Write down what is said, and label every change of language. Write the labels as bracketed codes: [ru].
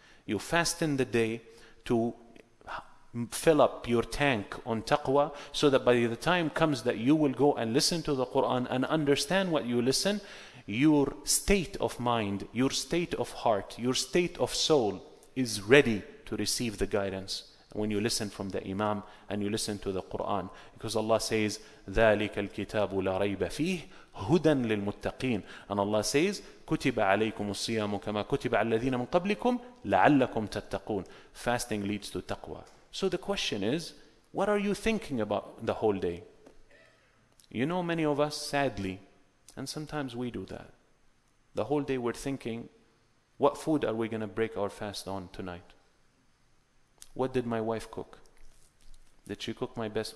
[en] You fast in the day to fill up your tank on taqwa, so that by the time comes that you will go and listen to the Quran and understand what you listen, your state of mind, your state of heart, your state of soul is ready to receive the guidance. When you listen from the Imam and you listen to the Quran, because Allah says, [ar] ذَلِكَ الْكِتَابُ لَا رَيْبَ فِيهِ هُدًى لِلْمُتَّقِينَ. [en] And Allah says, [ar] كُتِبَ عَلَيْكُمُ الصِّيَامُ كَمَا كُتِبَ عَلَّذِينَ مِنْ قَبْلِكُمْ لَعَلَّكُمْ تَتَّقُونَ. [en] Fasting leads to taqwa. So the question is, what are you thinking about the whole day? You know, many of us, sadly, and sometimes we do that, the whole day we're thinking, what food are we going to break our fast on tonight? What did my wife cook? Did she cook my best?